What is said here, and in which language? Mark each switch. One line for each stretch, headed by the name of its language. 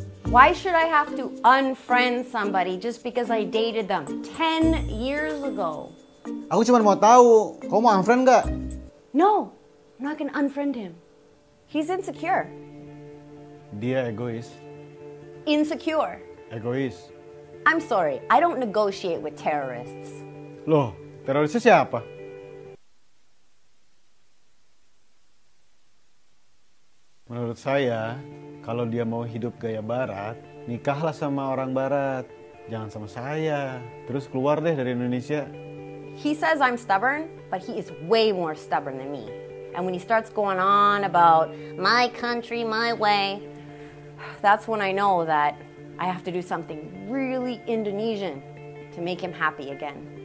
English: Why should I have to unfriend somebody just because I dated them 10 years ago?
Indonesian: Aku cuma mau tahu, kamu mau unfriend gak?
English: No, I'm not gonna unfriend him. He's insecure.
Indonesian: Dia egois.
English: Insecure.
Indonesian: Egois.
English: I'm sorry, I don't negotiate with terrorists.
Indonesian: Loh, terorisnya siapa? Menurut saya, kalau dia mau hidup gaya barat, nikahlah sama orang barat. Jangan sama saya. Terus keluar deh dari Indonesia.
English: He says I'm stubborn, but he is way more stubborn than me. And when he starts going on about my country, my way, that's when I know that I have to do something really Indonesian to make him happy again.